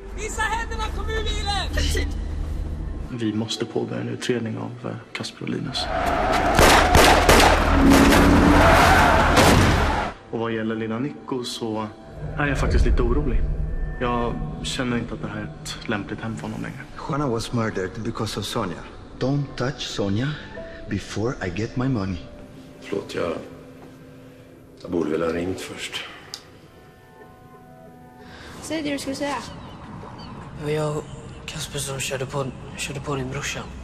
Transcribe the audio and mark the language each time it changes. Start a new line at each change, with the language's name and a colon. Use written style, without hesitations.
Swedish: Visa händerna, kom ur bilen! Vi måste påbörja en utredning av Kasper och Linus. Och vad gäller Lina Nico så är jag faktiskt lite orolig. Jag känner inte att det här är ett lämpligt hem för honom längre.
English: Juana was murdered because of Sonja. Don't touch Sonja before I get my money.
Swedish: Förlåt, jag borde väl ha ringt först. Säg det du skulle säga. Det var jag och Kasper som körde på din brorsa.